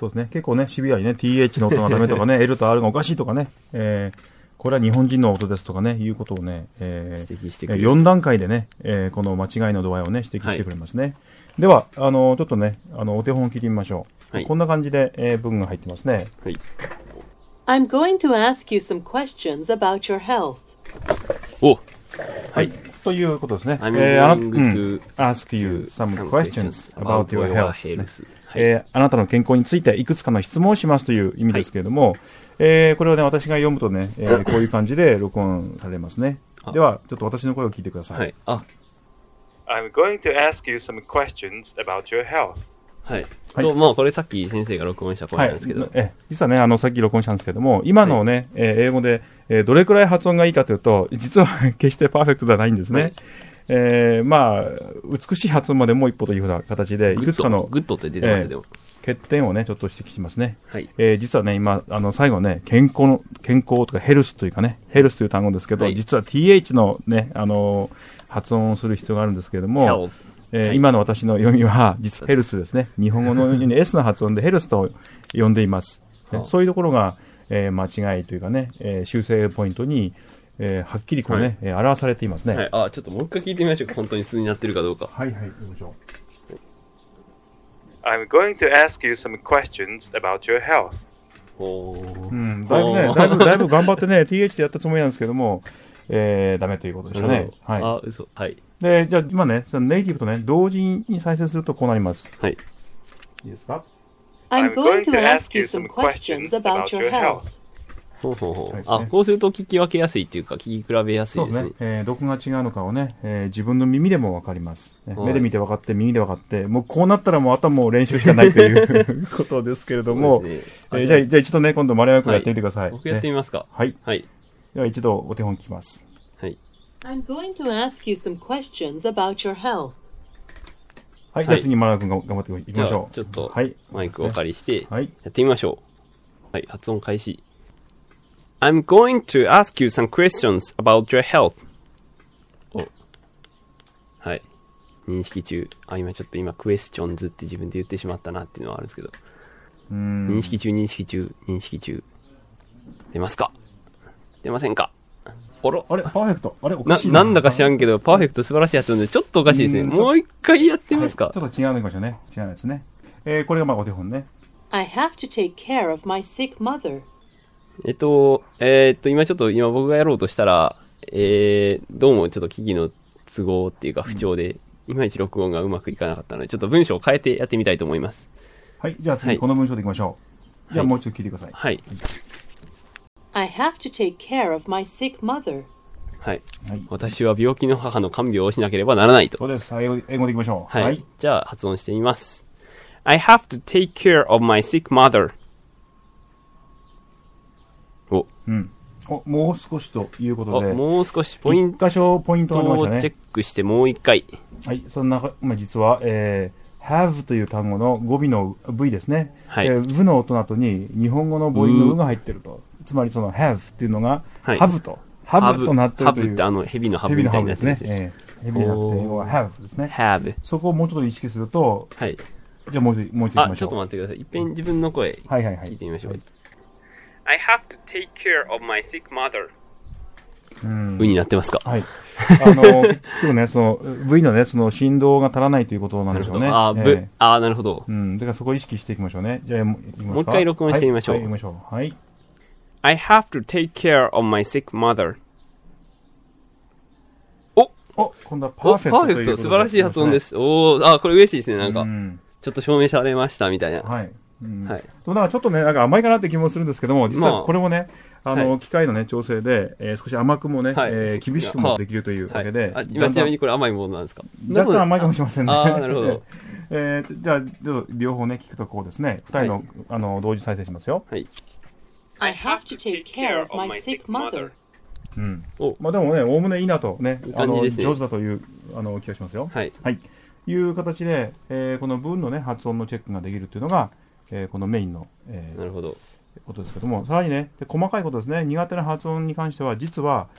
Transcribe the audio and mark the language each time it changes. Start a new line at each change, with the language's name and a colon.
Japanese: そうですね。結構ね、シビアにね、TH の音がダメとかね、L と R がおかしいとかね、これは日本人の音ですとかね、いうことをね、指摘してくれる。 4段階でね、この間違いの度合いをね、指摘してくれますね。はい、では、ちょっとね、お手本を聞いてみましょう。はい、こんな感じで、文が入ってますね。はい。
English: I'm going to ask you some questions about your health.
Japanese: お、はい、ということですね。
English: I'm going to ask you some questions about your health.、
Japanese: ね、はい、あなたの健康についていくつかの質問をしますという意味ですけれども、はい、これをね、私が読むとね、こういう感じで録音されますね。では、ちょっと私の声を聞いてください。はい、あ、
English: I'm going to ask you some questions about your health.
Japanese: はい、はい、まあ、これさっき先生が録音した声なんですけど、はい、実はね、さっき録音したんですけども、今のね、はい、英語で、どれくらい発音がいいかというと、実は決してパーフェクトではないんですね、はい、まあ、美しい発音までもう一歩というふうな形で、いくつかのグッドって出てますでも、欠点をね、ちょっと指摘しますね、はい、実はね、今最後ね、健康とかヘルスというかね、ヘルスという単語ですけど、はい、実は TH のね、発音をする必要があるんですけども、はい、今の私の読みは、実はヘルスですね。日本語のように S の発音でヘルスと呼んでいます。そういうところが、間違いというかね、修正ポイントに、はっきりこうね、はい、表されていますね。はい、あ、ちょっともう一回聞いてみましょうか。本当に素になってるかどうか。はいはい、行きましょう。
English: I'm going to ask you some questions about your health.
Japanese: おー。うん、だいぶね、だいぶ頑張ってね、TH でやったつもりなんですけども、ダメということでしたね。はい、あ、嘘。はい。で、じゃあ今ね、そのネイティブとね、同時に再生するとこうなります。はい。いいですか？
English: I'm going to ask you some questions about your health.
Japanese: ほうほうほう、はい、ね。あ、こうすると聞き分けやすいっていうか、聞き比べやすいですね。そうですね。どこが違うのかをね、自分の耳でもわかります、ね、はい。目で見てわかって、耳でわかって、もうこうなったらもう頭を練習しかないという ことですけれども、ね、じゃあ一度ね、今度丸山くんやってみてください。はい、僕やってみますか、ね。はい。はい。では一度お手本聞きます。はい。
English: I'm going to ask you some questions about your health.
Japanese: はい、じゃあ次、マガ君が頑張っていきましょう。ちょっと、はい、マイクをお借りして、やってみましょう。はい、発音開始。
English: I'm going to ask you some questions about your health.
Japanese: お。はい。認識中。あ、今ちょっと今、クエスチョンズって自分で言ってしまったなっていうのはあるんですけど。認識中、認識中、認識中。出ますか？出ませんか？あれ、パーフェクト。あれ、おかしい。なんだか知らんけど、パーフェクト素晴らしいやつなんで、ちょっとおかしいですね。もう一回やってみますか、はい、ちょっと違うのましょうね。違うんですね。これがまあお手本ね。
English: I have to take care of my sick mother.
Japanese: 今僕がやろうとしたら、どうもちょっと機器の都合っていうか不調で、いまいち録音がうまくいかなかったので、ちょっと文章を変えてやってみたいと思います。はい、じゃあ次この文章でいきましょう。はい、じゃあもう一度聞いてください。はい。
English: I have to take care of my sick mother.
Japanese: はい、はい、私は病気の母の看病をしなければならないと。そうです。英語でいきましょう。はい、はい、じゃあ発音してみます。
English: I have to take care of my sick mother.
Japanese: お、うん、お、もう少しということで、もう少しポイント 1箇所ポイントありましたね。チェックしてもう1回。はい、そんな、まあ、実は、have という単語の語尾の v ですね、はい、 v の音の後に日本語の母音の v が入ってると。つまりその have っていうのが have と、はい、have となってるという。 have ってあの蛇の have みたいになってるんですよ。蛇の have って have ですね。 have。そこをもうちょっと意識すると、はい、じゃあもう一度言いましょう。あ、ちょっと待ってください。一遍自分の声聞いてみましょう。はいはいはい、
English: I have to take care of my sick mother.
Japanese: うん。ウになってますか。はい。結構ね、その V のね、その振動が足らないということなんでしょうね。あ、V、あ、なるほど。うん。だからそこを意識していきましょうね。じゃあ言いますか。もう一回録音してみましょう。はい、はい、言いましょう。はい。
English: I have to take care of my sick mother.
Japanese: お、お、今度はパーフェクト。パーフェクト、素晴らしい発音です。おー、あ、これ嬉しいですね、なんか。うん、ちょっと証明されました、みたいな。はい。うん、はい。なんかちょっとね、なんか甘いかなって気もするんですけども、実はこれもね、まあ、機械のね、調整で、少し甘くもね、はい、厳しくもできるというわけで。はい、今ちなみにこれ甘いものなんですか？若干甘いかもしれませんね。ああ、なるほど。じゃあ、両方ね、聞くとこうですね、二人の、はい、同時再生しますよ。はい。
English: I have to take care of my sick mother.
Japanese: うん。まあでもね、おおむねいいなとね、ね、上手だという気がしますよ。はい。はい。いう形で、この文のね、発音のチェックができるというのが、このメインの、なるほど、ことですけども、さらにね、で、細かいことですね、苦手な発音に関しては、実は、